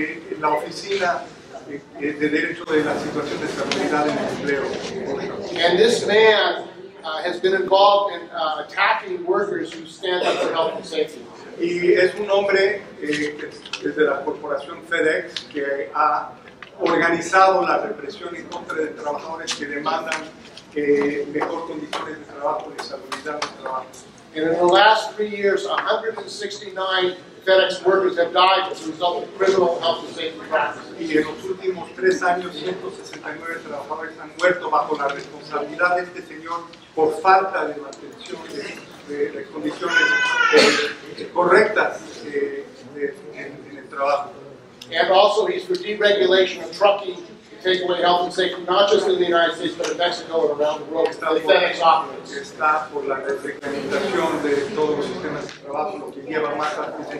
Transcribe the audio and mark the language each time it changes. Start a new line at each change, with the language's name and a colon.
Spanish: de la oficina de derecho de la situación de estabilidad en el empleo.
English: And this man has been involved in attacking workers who stand up for health and safety.
Spanish: Y es un hombre desde la corporación FedEx que ha organizado la represión en contra de trabajadores que demandan mejor condiciones de trabajo, de estabilidad en el trabajo.
English: And in the last 3 years, 169 FedEx workers have died as a result of criminal health and safety practices.
Spanish: Y en los últimos 3 años, 169 trabajadores han muerto bajo la responsabilidad de este señor por falta de mantención de condiciones correctas en el trabajo.
English: And also, he's for deregulation of trucking to take away health and safety, not just in the United States, but in Mexico and around the world.
Spanish: Está por la reglamentación de todos los sistemas de trabajo, lo que lleva más a